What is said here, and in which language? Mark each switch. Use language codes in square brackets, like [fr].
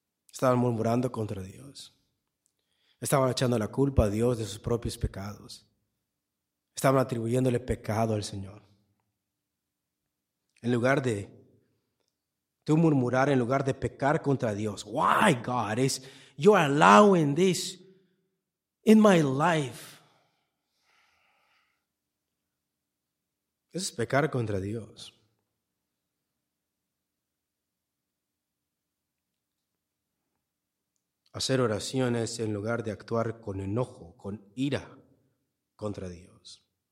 [es] Estaban murmurando contra Dios. Estaban echando la culpa a Dios de sus propios pecados. Estaban atribuyéndole pecado al Señor. En lugar de tú murmurar, en lugar de pecar contra Dios. [en] Why, God, is you allowing this in my life? [es] Eso es pecar contra Dios. Hacer oraciones en lugar de actuar con enojo, con ira contra Dios.